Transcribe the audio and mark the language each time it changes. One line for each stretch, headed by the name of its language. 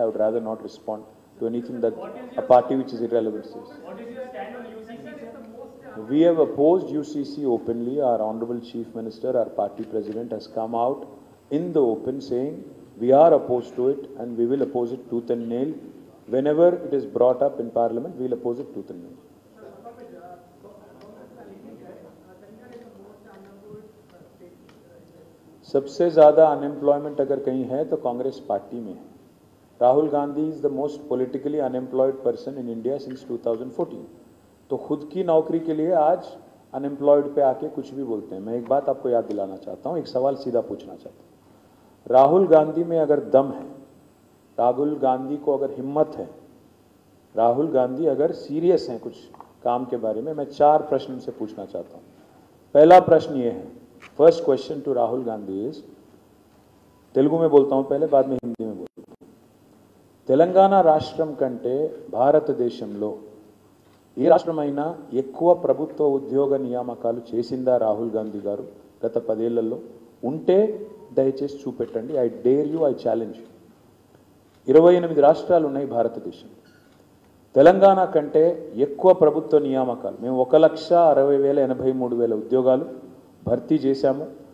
English: I would rather not respond to anything that a party which is irrelevant says. We have opposed UCC openly, our honourable chief minister, our party president has come out in the open saying we are opposed to it and we will oppose it tooth and nail. Whenever it is brought up in Parliament, we will oppose it tooth and nail.
Hindi: सबसे ज़्यादा unemployment अगर कहीं है तो Congress party में है।
English: Rahul Gandhi is the most politically unemployed person in India since 2014.
Hindi: तो खुद की नौकरी के लिए आज unemployed पे आके कुछ भी बोलते हैं। मैं एक बात आपको याद दिलाना चाहता हूँ, एक सवाल सीधा पूछना चाहता हूँ। राहुल गांधी में अगर दम है, राहुल गांधी को अगर हिम्मत है, राहुल गांधी अगर सीरियस हैं कुछ काम के बारे में, मैं चार प्रश्न से पूछना चाहता हूँ। पहला प्रश्न ये है,
English: first question to Rahul Gandhi is,
Hindi: Telugu में बोलता हूँ पहले, बाद में हिंदी में बोलता हूँ।
Telugu: तेलंगाना राष्ट्रम कंटे भारत देशంలో ఏ రాష్ట్రమైన ఎక్కువ ప్రభుత్వ ఉద్యోగ నియమకాలు చేసిందా రాహుల్ గాంధీ గారు గత 10 ఏళ్లలో? ఉంటే దయచేసి చూపెట్టండి,
English: I dare you, I challenge you.
Telugu: 28 రాష్ట్రాలు ఉన్నాయి భారతదేశం, తెలంగాణ కంటే ఎక్కువ ప్రభుత్వ నియామకాలు, మేము 1,60,083,000 ఉద్యోగాలు భర్తీ చేశాము।